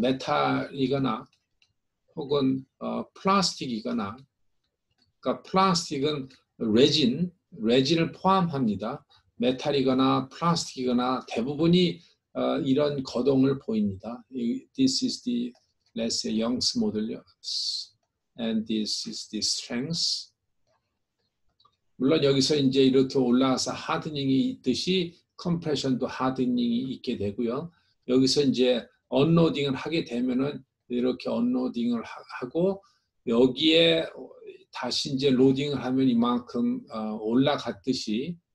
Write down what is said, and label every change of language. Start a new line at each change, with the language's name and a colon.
Korean: 메탈이거나 혹은 플라스틱이거나. 그러니까 플라스틱은 레진을 포함합니다. 메탈이거나 플라스틱이거나 대부분이 이런 거동을 보입니다.
English: This is the, let's say, Young's modulus, and this is the strength.
Korean: 물론 여기서 이제 이렇게 올라와서 하드닝이 있듯이 컴프레션도 하드닝이 있게 되고요. 여기서 이제 언로딩을 하게 되면은 이렇게 언로딩을 하고 여기에 다시 이제 로딩을 하면 이만큼 올라갔듯이